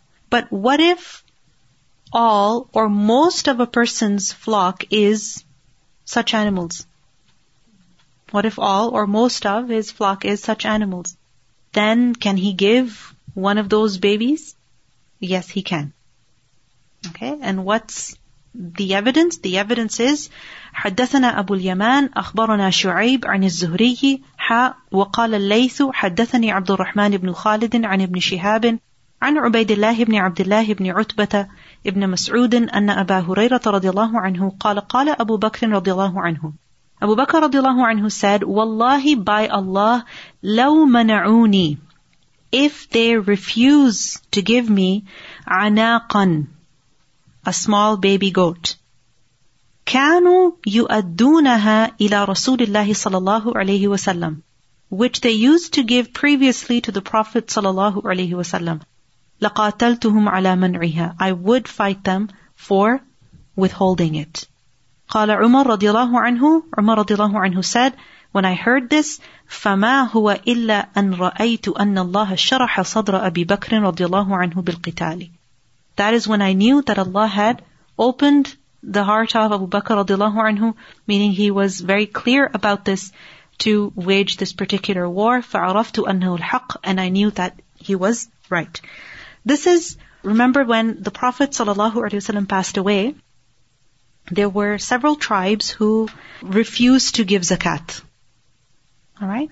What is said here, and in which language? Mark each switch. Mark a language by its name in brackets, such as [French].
[English] But what if all or most of a person's flock is such animals? What if all or most of his flock is such animals? Then can he give one of those babies? Yes, he can. Okay, and what's the evidence? The evidence is [Arabic] حدثنا أبو اليمان أخبرنا شعيب عن الزهري حاء وقال الليث حدثني عبد الرحمن بن خالد عن ابن شهاب عن عبيد الله بن عبد الله بن عتبة ابن مسعود أن أبا هريرة رضي الله عنه قال قال أبو بكر رضي الله عنه أبو بكر رضي الله عنه [English] said [Arabic] والله [English] by Allah [Arabic] لو منعوني [English] if they refuse to give me [Arabic] عناقا [English] a small baby goat. [Arabic] كانوا يؤدونها إلى رسول الله صلى الله عليه وسلم, [English] which they used to give previously to the Prophet [Arabic] صلى الله عليه وسلم. لقاتلتهم على منعها. [English] I would fight them for withholding it. [Arabic] قال عمر رضي الله عنه. عمر رضي الله عنه [English] said, when I heard this, [Arabic] فما هو إلا أن رأيت أن الله شرح صدر أبي بكر رضي الله عنه بالقتال. [English] That is when I knew that Allah had opened the heart of Abu Bakr radiallahu anhu, meaning he was very clear about this, to wage this particular war. [Arabic] فَعَرَفْتُ أَنَّهُ الْحَقِّ, [English] and I knew that he was right. This is, remember when the Prophet sallallahu alayhi wasallam passed away, there were several tribes who refused to give zakat. Alright?